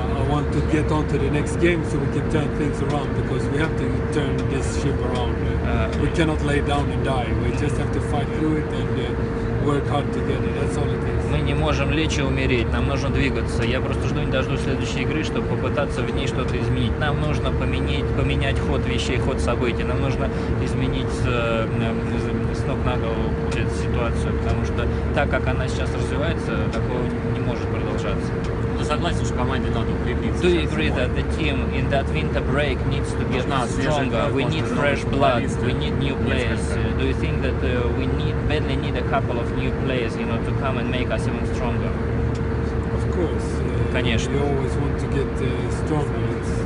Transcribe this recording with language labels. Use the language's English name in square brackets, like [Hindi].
[English] I want to get on to the next game so we can turn things around because we have to turn this ship around. We cannot lay down and die. We just have to fight through it and work hard together. That's all it is. [Russian] Мы не можем лечь и умереть. Нам нужно двигаться. Я просто жду не дождусь следующей игры, чтобы попытаться в ней что-то изменить. Нам нужно поменять ход вещей, ход событий. Нам нужно изменить с ног на голову эту ситуацию, потому что так как она сейчас развивается, такого не может продолжаться. Ты согласен, что команде надо укрепиться? [English] Do you agree that the team in that winter break needs to get stronger? We need fresh blood. We need new players. Do you think that we badly need a couple of new players, you know, to come and make us even stronger? Of course. [Russian] Конечно. [English] We always want to get stronger.